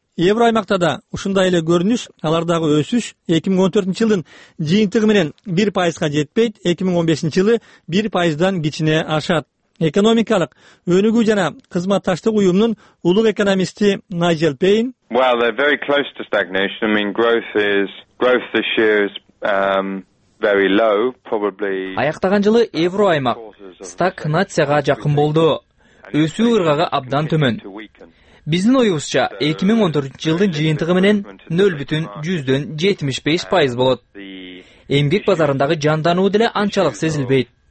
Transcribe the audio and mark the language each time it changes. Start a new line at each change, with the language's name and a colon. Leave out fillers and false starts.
Kyrgyz: Евро аймакта да ушундай эле көрүнүш, алардагы өсүш 2014 жылдын жыйынтыгы менен 1% жетпейт, 2015 жылы 1% кичине ашат. Экономикалык өнүгүү жана кызматташтык уюмунун улук экономисти Найджел Пейн.
English: Well, they're very close to stagnation. I mean, growth this year is very low, probably.
Kyrgyz: Аяктаган жылы евро аймак стагнацияга жакын болду. Өсүү ыргагы абдан төмөн. Биздин оюбузча 2014 жылдын жыйынтыгы менен 0.175% болот. Эмгек базарындагы жандануу деле анчалык сезилбейт.